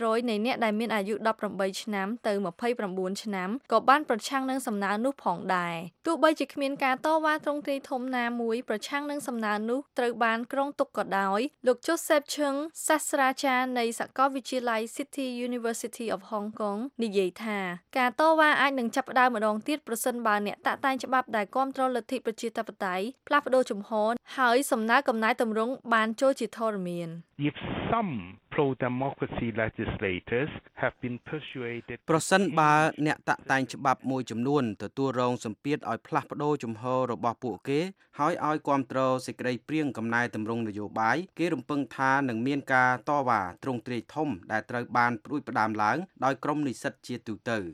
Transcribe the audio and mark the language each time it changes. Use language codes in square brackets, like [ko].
[km] នៃអ្នកដែលមានអាយុ18ឆ្នាំទៅ29ឆ្នាំក៏បានប្រឆាំងនឹងសំណើនោះផងដែរទោះបីជាគ្មានការតវ៉ាទ្រង់ទ្រាយធំណាមួយប្រឆាំងនឹងសំណើនោះត្រូវបានក្រុងទុកក៏ដោយលោកជូសេបឈឹងសាស្ត្រាចារ្យនៃសាកលវិទ្យាល័យ City University of Hong Kong និយាយថាការតវ៉ាអាចនឹងចាប់ផ្ដើមម្ដងទៀតប្រសិនបើអ្នកតាក់តែងច្បាប់ដែលគ្រប់គ្រងលទ្ធិប្រជាធិបតេយ្យផ្លាស់ប្ដូរជំហរហើយសំណើកំណែទម្រង់បានចូលជាធរមាន [en] pro-democracy legislators have been persuaded [km] ប្រសិនបើអ្នកតាក់តែងច្បាប់មួយចំនួនទទួលរងសម្ពាធឲ្យផ្លាស់ប្ដូរជំហររបស់ពួកគេហើយឲ្យគាំទ្រសេចក្តីព្រៀងកំណែទម្រង់នយោបាយគេរំពឹងថានឹងមានការតវ៉ាទ្រង់ទ្រាយធំដែលត្រូវបានផ្ដួចផ្ដើមឡើងដោយក្រុមនិស្សិតជាទូទៅ